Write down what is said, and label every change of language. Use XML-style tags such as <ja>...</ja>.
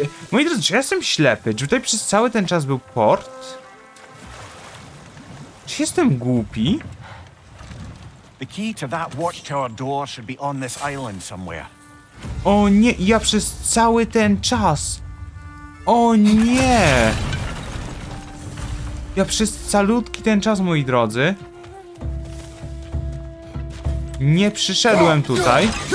<pl>Moi drodzy, czy ja jestem ślepy? Czy tutaj przez cały ten czas był port? Czy jestem głupi?</pl> <en>The key to that watchtower door should be on this island somewhere.</en> <pl>O nie, ja przez cały ten czas... O nie! Ja przez calutki ten czas, moi drodzy... nie przyszedłem tutaj.</pl>